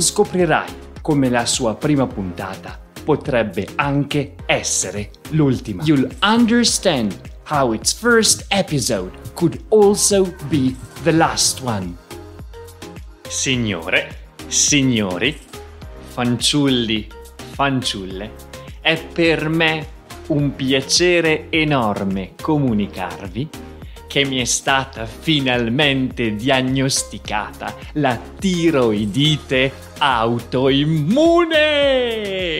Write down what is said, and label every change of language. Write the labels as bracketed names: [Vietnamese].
[Italian] Scoprirai come la sua prima puntata potrebbe anche essere l'ultima. [English] You'll understand how its first episode could also be the last one. [Italian] Signore, signori, fanciulli, fanciulle, è per me un piacere enorme comunicarvi che mi è stata finalmente diagnosticata la tiroidite autoimmune!